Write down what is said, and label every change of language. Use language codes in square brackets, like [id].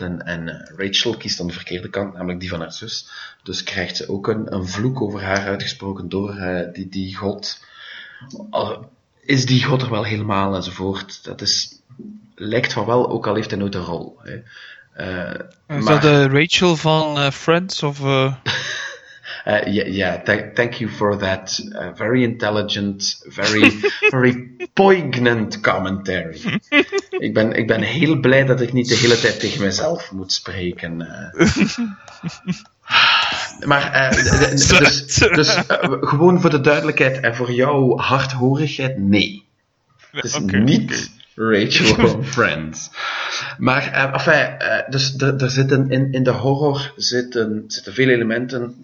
[nl] En Rachel kiest dan de verkeerde kant, namelijk die van haar zus. Dus krijgt ze ook een vloek over haar uitgesproken door die God. Is die God er wel helemaal enzovoort? Dat is, lijkt van wel, ook al heeft hij nooit een rol. Hè. Rachel van Friends of... [en] thank you for that very intelligent, very, very poignant commentary. [nl] ik ben heel blij dat ik niet de hele tijd tegen mezelf moet spreken. Maar gewoon voor de duidelijkheid en voor jouw hardhorigheid, nee. Het is niet Rachel van Friends. Maar, er zitten in de horror zitten veel elementen.